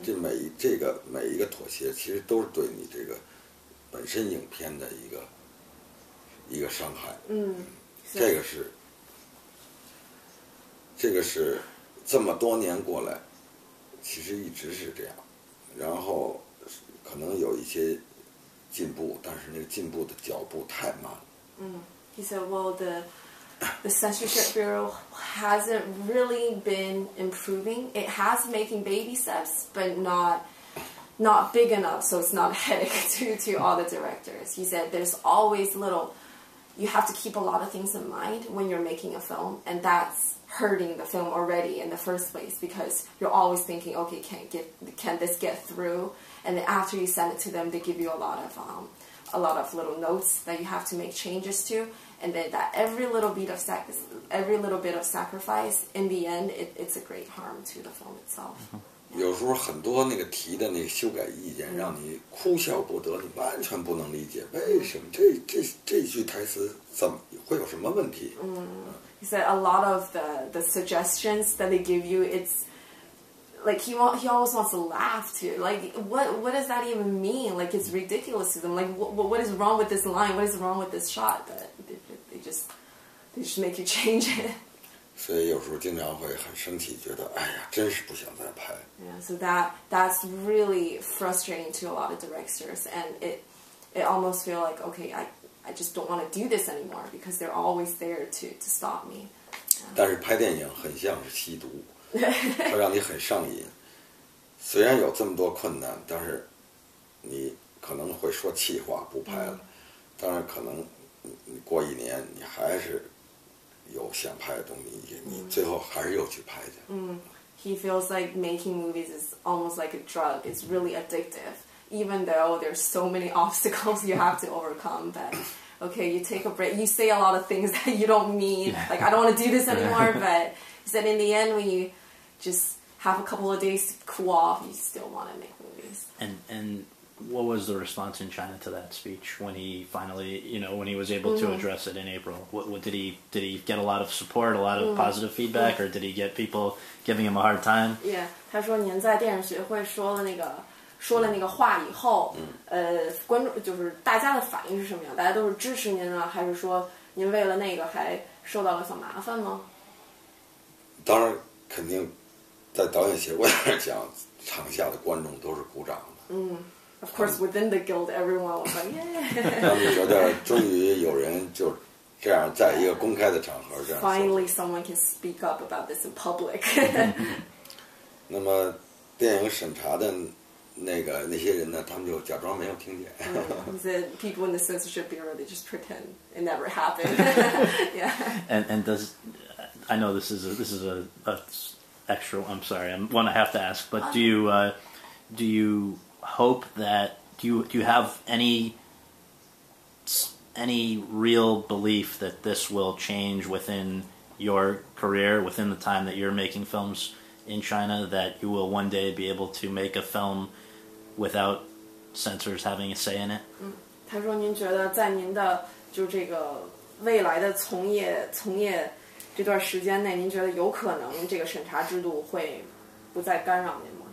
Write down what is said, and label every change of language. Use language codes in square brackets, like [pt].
[zh] 这每一个妥协其实都是对你这个本身影片的一个伤害、嗯、这个是这么多年过来其实一直是这样，然后可能有一些进步，但是那个进步的脚步太慢了。 [en] 嗯 ，He said, "Well, the censorship bureau hasn't really been improving. It has making baby steps, but not big enough, so it's not a headache to all the directors." He said, "There's always little. You have to keep a lot of things in mind when you're making a film, and that's hurting the film already in the first place because you're always thinking, okay, can this get through?" And then after you send it to them, they give you a lot of little notes that you have to make changes to. And then that every little bit of sacrifice, in the end, it's a great harm to the film itself. Mm-hmm. [zh] 有时候很多那个提的那个修改意见让你哭笑不得，你完全不能理解为什么这句台词怎么会有什么问题。 [en] Mm-hmm. He said a lot of the suggestions that they give you, it's... Like, he always wants to laugh, too. Like, what does that even mean? Like, it's ridiculous to them. Like, what is wrong with this line? What is wrong with this shot? But they just make you change it. [zh] 所以有时候经常会很生气，觉得哎呀，真是不想再拍。 [en] Yeah, so that's really frustrating to a lot of directors. And it almost feel like, okay, I just don't want to do this anymore because they're always there to stop me. Yeah. [zh] 但是拍电影很像是吸毒。它让你很上瘾，虽然有这么多困难，但是你可能会说气话不拍了，但是可能你过一年你还是有想拍的东西，你最后还是又去拍去。 [en] Mm. He feels like making movies is almost like a drug. It's really addictive. Even though there's so many obstacles you have to overcome, but okay, you take a break. You say a lot of things that you don't mean. Like, I don't want to do this anymore, but... Then in the end, when you just have a couple of days to cool off, you still want to make movies. And what was the response in China to that speech when he finally, you know, when he was able、mm-hmm. to address it in April? What did he get a lot of support, a lot of、mm-hmm. positive feedback,、mm-hmm. or did he get people giving him a hard time? [zh] Yeah, 他说您在电影学会说了那个话以后、 mm-hmm. 观众就是大家的反应是什么样？大家都是支持您啊，还是说您为了那个还受到了小麻烦吗？当然肯定在导演协会来讲场下的观众都是鼓掌的。嗯、mm. [en] ,of course within the guild everyone was like, yeah! [zh] 他们觉得终于有人就这样在一个公开的场合这样。 [en] Finally someone can speak up about this in public. [zh] 那么电影审查的那些人呢他们就假装没有听见。 [en] The people in the censorship bureau, they just pretend it never happened. Yeah. And does... I know this is a extra, I'm sorry, one I have to ask, but do you have any real belief that this will change within your career, within the time that you're making films in China, that you will one day be able to make a film without censors having a say in it? [zh] 他说您觉得在您的就这个未来的从业这段时间内，您觉得有可能这个审查制度会不再干扰您吗？